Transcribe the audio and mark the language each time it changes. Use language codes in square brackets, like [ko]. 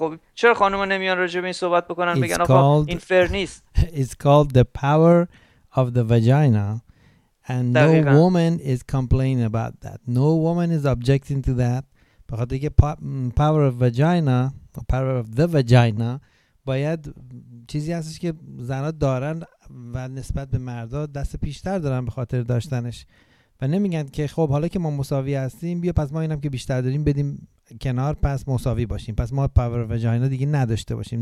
[fa] خب چرا خانوما نمیان راجع به این صحبت بکنن بگن آقا این فر نیست؟ [en] It's called the power of the vagina and no woman is complaining about that. No woman is objecting to that. [fa] بخاطر که power of vagina و [en] power of the vagina [fa] باید چیزی هستش که زنها دارن و نسبت به مردها دست پیشتر دارن به خاطر داشتنش، و نمیگن که خب حالا که ما مساوی هستیم بیا پس ما اینم که بیشتر داریم بدیم کنار، پس مساوی باشیم، پس ما [en] power of vagina [fa] دیگه نداشته باشیم.